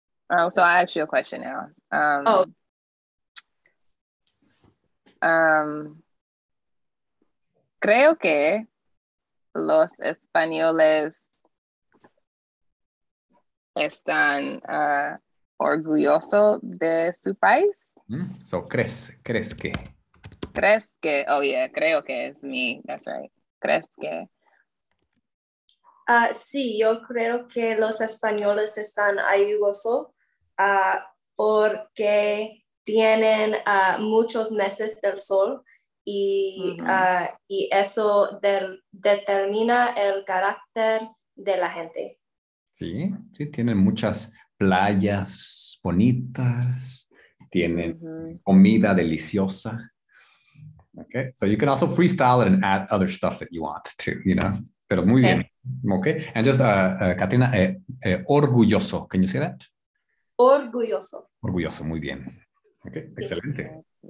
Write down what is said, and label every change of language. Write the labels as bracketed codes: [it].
[en] Oh, so I asked you a question now. [es] Creo que los españoles están orgulloso de su país. So crees que. Crees que, [en] oh yeah, [es] creo que es mi, [en] that's right. [es] Crees que. Sí, yo creo que los españoles están orgulloso porque tienen muchos meses del sol y, y eso determina el carácter de la gente. Sí, sí, tienen muchas playas bonitas, tienen comida deliciosa. [en] Okay, so you can also freestyle it and add other stuff that you want to, you know. [es] Pero muy bien. [en] Okay, and just Katrina, orgulloso. Can you say that? [es] Orgulloso. Orgulloso, muy bien. Okay, sí. Excelente.